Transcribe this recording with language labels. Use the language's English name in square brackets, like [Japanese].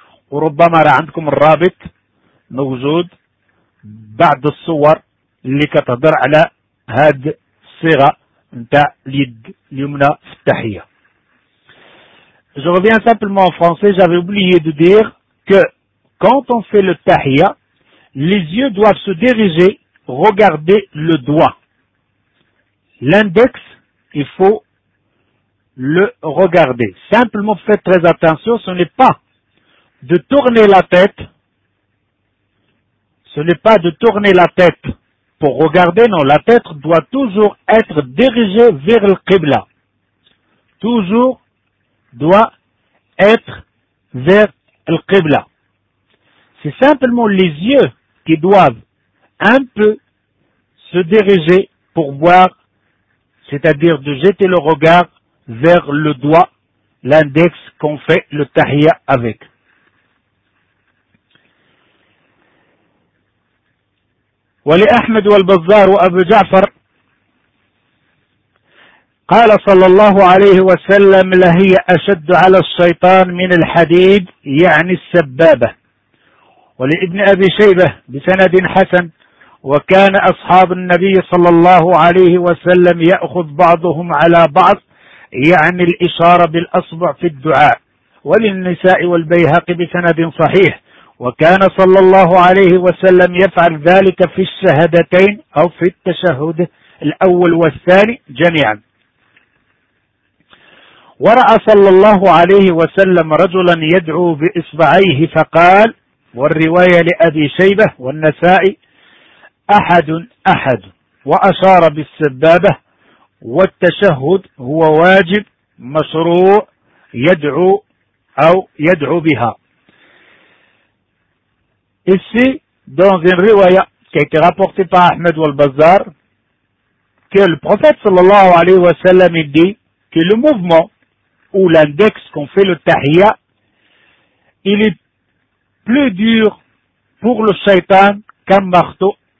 [Arabic] وربما راه عندكم الرابط موجود بعض الصور اللي كتهضر على هاد الصيغة نتاع اليد اليمنى في التحية [French] Je reviens simplement en français, j'avais oublié de dire que quand on fait le tahiyya, les yeux doivent se diriger, regarder le doigt. L'index, il faut le regarder. Simplement, faites très attention, ce n'est pas de tourner la tête. Ce n'est pas de tourner la tête pour regarder, non, la tête doit toujours être dirigée vers le Qibla. Toujours doit être vers le Qibla. C'est simplement les yeux qui doivent un peu se diriger pour voir, c'est-à-dire de jeter le regard vers le doigt, l'index qu'on fait le tahiyya avec. [Arabic] ولأحمد والبزار وأبو جعفر قال صلى الله عليه وسلم لهي أشد على الشيطان من الحديد يعني السبابة. ولابن أبي شيبة بسند حسن وكان أصحاب النبي صلى الله عليه وسلم يأخذ بعضهم على بعض يعني الإشارة بالأصبع في الدعاء. وللنساء والبيهقي بسند صحيح وكان صلى الله عليه وسلم يفعل ذلك في الشهادتين أو في التشهد الأول والثاني جميعا. ورأى صلى الله عليه وسلم رجلا يدعو بإصبعيه فقال، والرواية لأبي شيبة والنسائي، أحد أحد، وأشار بالسبابة. والتشهد هو واجب مشروع يدعو أو يدعو بها. [French] Ici, dans une riwaya qui a été rapportée par Ahmed Walbazar, que le prophète [Arabic] sallallahu alayhi wa sallam [French] dit que le mouvement ou l'index qu'on fait le tahiyya, il est plus dur pour le shaitan qu'un marteau.